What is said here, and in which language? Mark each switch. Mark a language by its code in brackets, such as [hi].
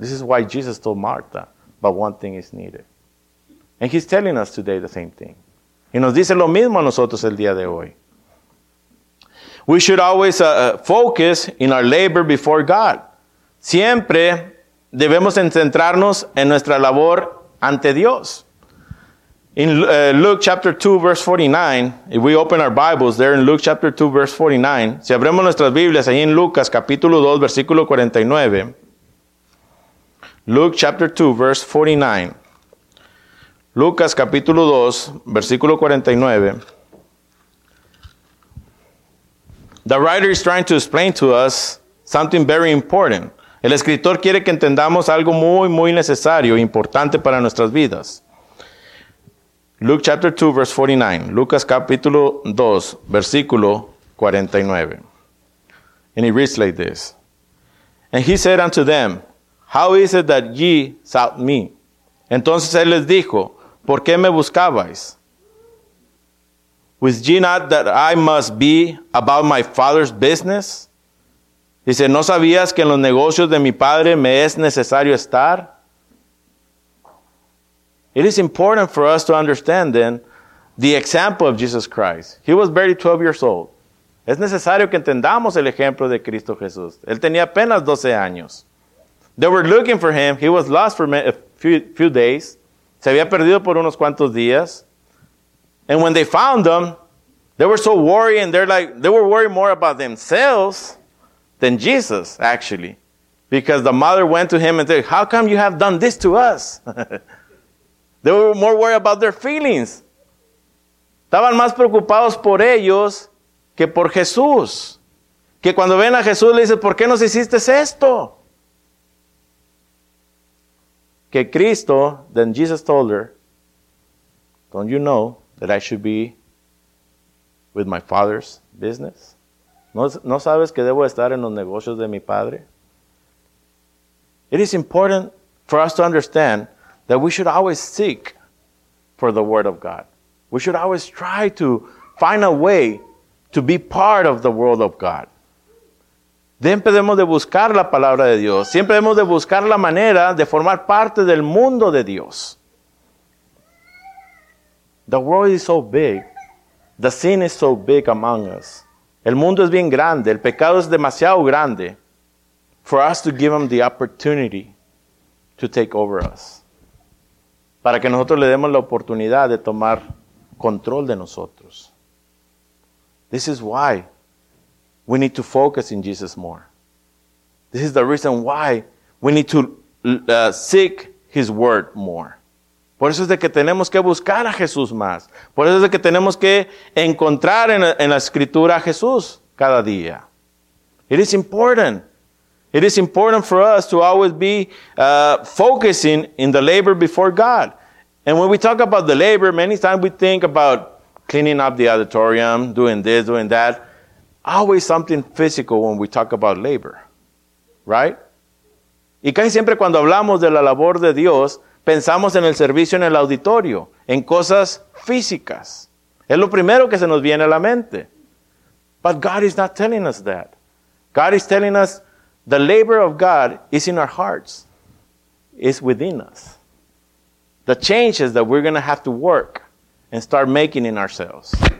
[en] This is why Jesus told Martha, but one thing is needed. And he's telling us today the same thing. [es] Y nos dice lo mismo a nosotros el día de hoy. [en] We should always focus in our labor before God. [es] Siempre debemos centrarnos en nuestra labor ante Dios. [en] In Luke chapter 2, verse 49, if we open our Bibles there in Luke chapter 2, verse 49, [es] si abrimos nuestras Biblias ahí en Lucas capítulo 2, versículo 49, [en] Luke chapter 2, verse 49, [es] Lucas capítulo 2, versículo 49, [en] the writer is trying to explain to us something very important. [es] El escritor quiere que entendamos algo muy, muy necesario, importante para nuestras vidas. [en] Luke chapter 2, verse 49. [es] Lucas capítulo 2, versículo 49. [en] And it reads like this. And he said unto them, how is it that ye sought me? [es] Entonces él les dijo, ¿por qué me buscabais? [en] Wist ye not that I must be about my father's business? [es] Dice, ¿no sabías que en los negocios de mi padre me es necesario estar? [en] It is important for us to understand then the example of Jesus Christ. He was barely 12 years old. [es] Es necesario que entendamos el ejemplo de Cristo Jesús. Él tenía apenas 12 años. [en] They were looking for him. He was lost for a few days. [es] Se había perdido por unos cuantos días. [en] And when they found him, they were so worried, and they were worried more about themselves than Jesus, actually. Because the mother went to him and said, how come you have done this to us? They were more worried about their feelings. [es] Estaban más preocupados por ellos que por Jesús. Que cuando ven a Jesús le dicen, ¿por qué nos hiciste esto? Que Cristo, [en] then Jesus told her, don't you know that I should be with my father's business? [es] ¿No sabes que debo estar en los negocios de mi padre? [en] It is important for us to understand that we should always seek for the word of God. We should always try to find a way to be part of the world of God. [es] Siempre debemos de buscar la palabra de Dios. Siempre debemos de buscar la manera de formar parte del mundo de Dios. [en] The world is so big. The sin is so big among us. [es] El mundo es bien grande. El pecado es demasiado grande [en] for us to give him the opportunity to take over us. [es] Para que nosotros le demos la oportunidad de tomar control de nosotros. [en] This is why we need to focus in Jesus more. This is the reason why we need to seek His Word more. [es] Por eso es de que tenemos que buscar a Jesús más. Por eso es de que tenemos que encontrar en la Escritura a Jesús cada día. [en] It is important. It is important for us to always be focusing in the labor before God. And when we talk about the labor, many times we think about cleaning up the auditorium, doing this, doing that. Always something physical when we talk about labor, right? Y casi siempre cuando hablamos de la labor de Dios, pensamos en el servicio en el auditorio, en cosas físicas. Es lo primero que se nos viene a la mente. But God is not telling us that. God is telling us the labor of God is in our hearts. It's within us. The changes that we're going to have to work and start making in ourselves.